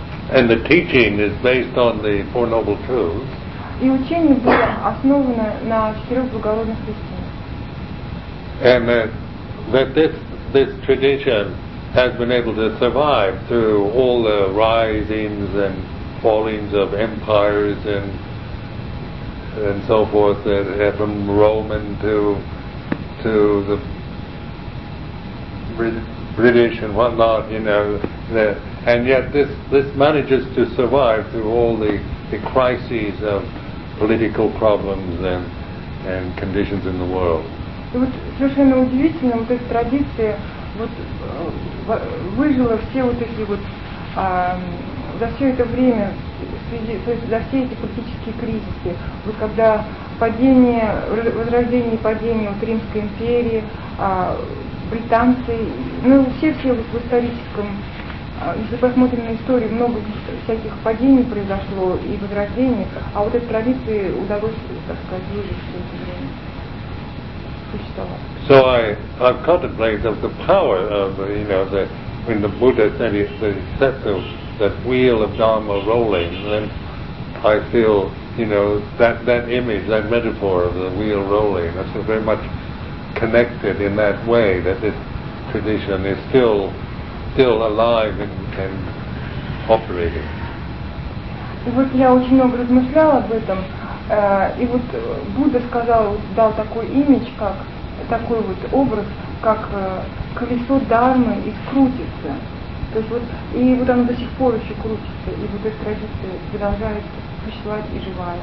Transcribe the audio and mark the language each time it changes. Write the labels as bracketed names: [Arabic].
[English] And the teaching is based on the Four Noble Truths. [Russian] И учение было основано на четырех благородных истинах. [English] And that this tradition has been able to survive through all the risings and fallings of empires and so forth, from Roman to the British and whatnot, you know, and yet this manages to survive through all the crises of political problems and conditions in the world. [Russian] И вот совершенно удивительно, вот эта традиция вот выжила все вот эти вот за все это время, за все эти политические кризисы, вот когда падение, возрождение и падение вот Римской империи, британцы, ну все вот в историческом, если посмотрим на историю, много всяких падений произошло и возрождений, а вот этой традиции удалось, так сказать, выжить все это время. существовало. [English] So I contemplate of the power of, you know, that when the Buddha said he set that wheel of Dharma rolling, then I feel, you know, that image, that metaphor of the wheel rolling, that's very much connected in that way, that this tradition is still alive and operating. [Russian] И вот я очень много размышляла об этом, и вот Будда сказал, дал такой имидж, как такой вот образ, как колесо Дармы и крутится. То есть вот, и вот оно до сих пор еще крутится, и вот эта традиция продолжает существовать и живая.